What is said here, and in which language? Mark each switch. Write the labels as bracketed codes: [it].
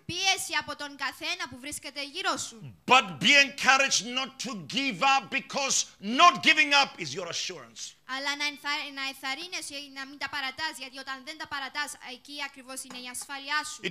[el] Πίεση από τον καθένα που βρίσκεται γύρω σου. [en] But be encouraged not to give up, because not giving up is your assurance. [el] Αλλά να εθαρρύνεσαι να μην τα παρατάς, γιατί όταν δεν τα παρατάς, εκεί ακριβώς είναι η ασφάλειά σου.